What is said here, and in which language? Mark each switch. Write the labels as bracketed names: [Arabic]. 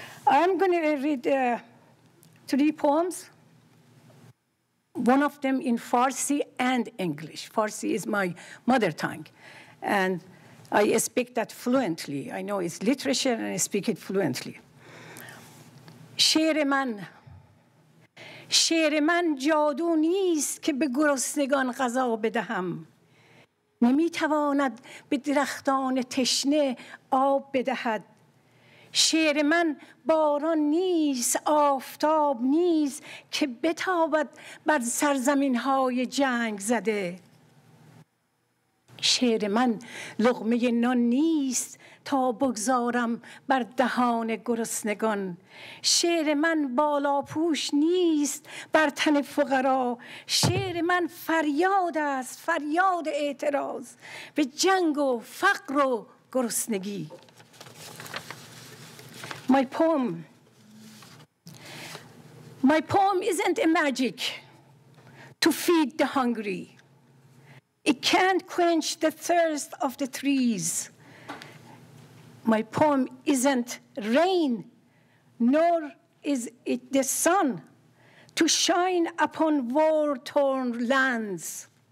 [English] I'm going to read three poems. One of them in Farsi and English. Farsi is my mother tongue. And I speak that fluently. I know it's literature and I speak it fluently. [Persian] شعر من جادو نیست که به گرسنگان غذا بدهم. نمیتواند به درختان تشنه آب بدهد. شعر من باران نیست، آفتاب نیست که بتابد بر سرزمین های جنگ زده. شعر من لقمه نان نیست تا بگذارم بر دهان گرسنگان. شعر من بالا پوش نیست بر تن فقرا. شعر من فریاد است، فریاد اعتراض به جنگ و فقر و گرسنگی. [English] My poem isn't a magic to feed the hungry. It can't quench the thirst of the trees. My poem isn't rain, nor is it the sun to shine upon war-torn lands.